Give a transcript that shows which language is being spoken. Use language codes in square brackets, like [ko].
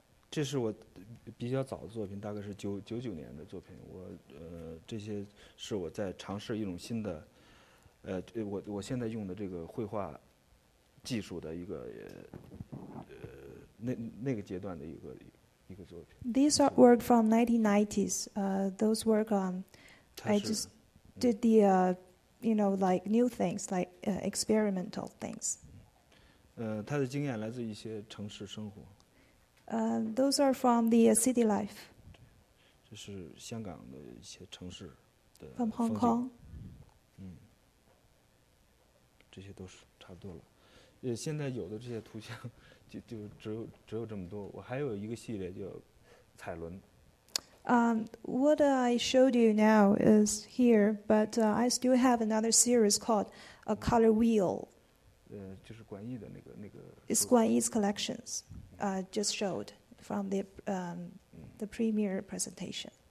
[zh] 这是我比较早的作品，大概是1999年的作品。我这些是我在尝试一种新的，我现在用的这个绘画。技术的一个那个阶段的一个作品。 [en] These are work from 1990s. Those work I just did the you know like new things like experimental things. [zh] 他的经验来自一些城市生活。 [en] Those are from the city life. [zh] 这是香港的一些城市的。 [en] From Hong Kong. [zh] 这些都是差不多了。现在有的这些图像就只有这么多。我还有一个系列叫彩轮。 [en] What I showed you now is here, but I still have another series called a color wheel. [zh] 就是管义的那个那个。 [en] It's Guan Yi's collections, just showed from the premiere presentation.